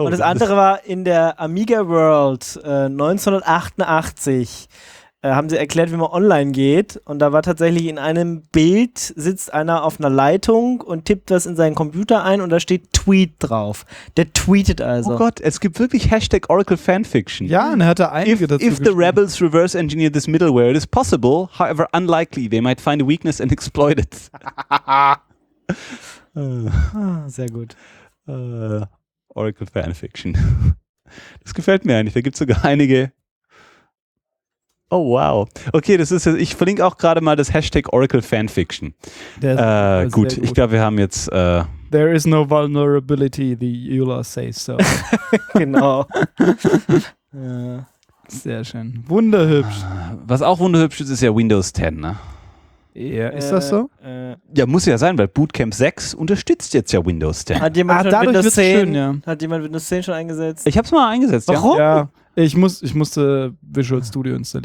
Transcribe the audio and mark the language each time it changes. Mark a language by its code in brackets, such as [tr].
[de] Und das andere war in der Amiga World 1988. Haben sie erklärt, wie man online geht und da war tatsächlich in einem Bild sitzt einer auf einer Leitung und tippt was in seinen Computer ein und da steht Tweet drauf. Der tweetet also. Oh Gott, es gibt wirklich Hashtag Oracle Fanfiction. Ja, und er hat da einige dazu geschrieben. [en] If the rebels reverse engineer this middleware, it is possible, however unlikely, they might find a weakness and exploit it. [de] Sehr gut. Oracle Fanfiction. Das gefällt mir eigentlich, da gibt es sogar einige. Oh wow. Okay, das ist jetzt. Ich verlinke auch gerade mal das Hashtag Oracle Fanfiction. Gut, ich glaube, wir haben jetzt. [en] There is no vulnerability, the EULA says so. [de] Genau. Sehr schön. Wunderhübsch. Was auch wunderhübsch ist, ist ja Windows 10, ne? Ja, ist das so? Ja, muss ja sein, weil Bootcamp 6 unterstützt jetzt ja Windows 10. Hat jemand Windows 10? Schön, ja. Hat jemand Windows 10 schon eingesetzt? Ich hab's mal eingesetzt. Warum? Ja. Ich musste Visual Studio installieren.